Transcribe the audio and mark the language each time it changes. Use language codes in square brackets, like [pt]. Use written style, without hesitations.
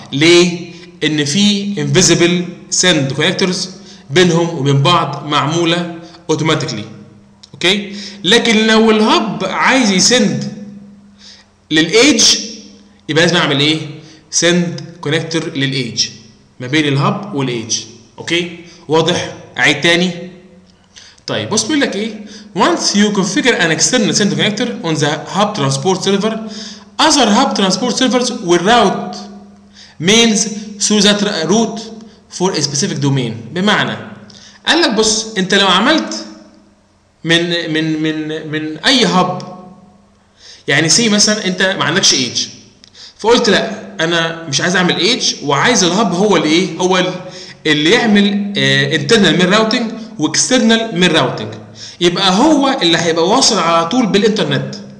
[ar] ليه؟ ان في انفيزيبل سند كونكتورز بينهم وبين بعض معموله اوتوماتيكلي. اوكي، لكن لو الهب عايز يسند للايدج يبقى لازم اعمل ايه؟ سند كونكتور للايدج ما بين الهب والايدج. اوكي، واضح؟ عيد تاني. طيب بص بيقول لك ايه، [en] once you configure an external send connector on the hub transport server, other hub transport servers will route mails through that route for a specific domain. [ar] بمعنى قال لك بص، انت لو عملت من من من من اي هب، يعني سي مثلا انت ما عندكش ايدج، فقلت لا انا مش عايز اعمل ايدج وعايز الهب هو الايه، هو اللي يعمل [en] internal mail routing [ar] واكسترنال ميل راوتنج، يبقى هو اللي هيبقى واصل على طول بالانترنت.